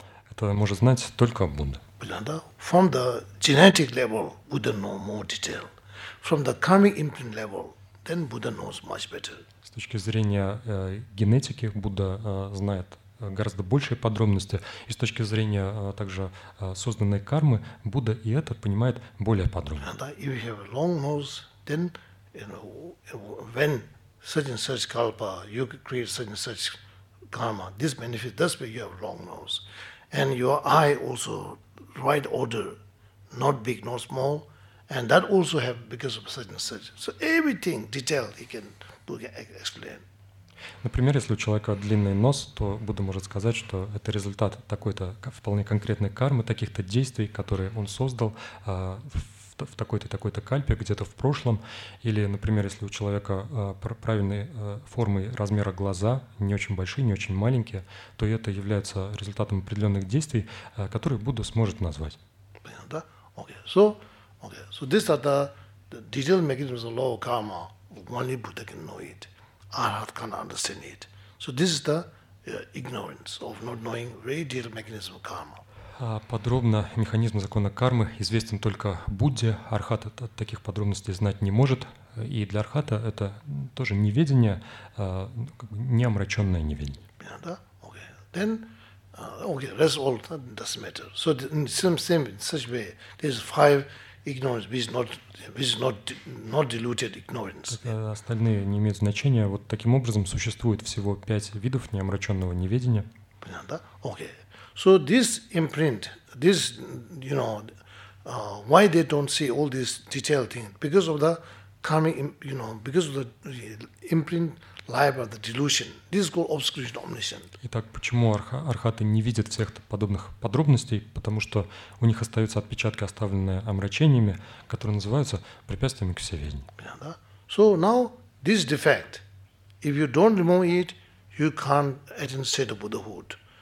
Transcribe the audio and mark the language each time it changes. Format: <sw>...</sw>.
<ru>Это может знать только Будда.</ru> <en>From the genetic level, Buddha knows more detail. From the karmic imprint level, then Buddha knows much better.</en> <ru>С точки зрения генетики Будда знает гораздо большие подробности. И с точки зрения также созданной кармы Будда и это понимает более подробно.</ru> <en>If you have a long nose, then you know, when such and such kalpa, you create such and such karma. This benefit, that's why you have long nose. And your eye also, right order, not big, not small. And that also have because of such and such. So everything, detail, he can explain.</en> <ru>Например, если у человека длинный нос, то Будда может сказать, что это результат такой-то вполне конкретной кармы, таких-то действий, которые он создал в такой-то кальпе, где-то в прошлом. Или, например, если у человека правильной формы размера глаза, не очень большие, не очень маленькие, то это является результатом определенных действий, которые Будда сможет назвать. Понятно?</ru> <en>Okay. So these are the detailed mechanisms of law of karma. Only Buddha can know it. Arhat can't understand it. So this is the ignorance of not knowing very detailed mechanism of karma.</en> <ru>Подробно механизм закона кармы известен только Будде. Архат таких подробностей знать не может. И для Архата это тоже неведение, как бы неомраченное неведение. Понятно?</ru> <en>Okay. Then, that's all, that doesn't matter. So in same in such way, there's five ignorance, which is not diluted ignorance.</en> <ru>Остальные не имеют значения. Вот таким образом существует всего пять видов неомраченного неведения. Понятно? Okay.</ru> <en>So this imprint, this, you know, why they don't see all these detailed things? Because of the karmic, you know, because of the imprint life of the delusion. This is called obscuration omniscient.</en> <ru>Итак, почему архаты не видят всех подобных подробностей? Потому что у них остаются отпечатки, оставленные омрачениями, которые называются препятствиями к всеведению.</ru> <en>Yeah, so now this defect, if you don't remove it, you can't attain state of Buddhahood.</en>